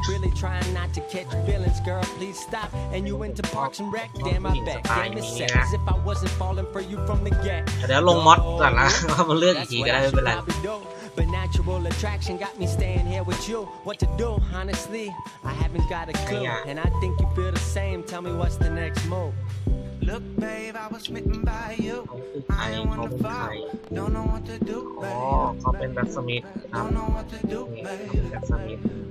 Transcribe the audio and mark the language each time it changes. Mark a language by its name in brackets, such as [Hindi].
[English] Really trying not to catch feelings, girl. Please stop. And you went to Parks and Rec. Damn, I bet. Damn, it's sad. As if I wasn't falling for you from the get. [Thai] เดี๋ยวลงม็อดก่อนนะเอามาเลือกอีกทีก็ได้ไม่เป็นไร [English] But natural attraction got me staying here with you. What to do, honestly? I haven't got a clue. And I think you feel the same. Tell me what's the next move. Look, babe, I was smitten by you. I don't wanna fall. Don't know what to do, babe. Oh, [Thai] เขาเป็นรัศมีครับ [English] Don't know what to do, babe.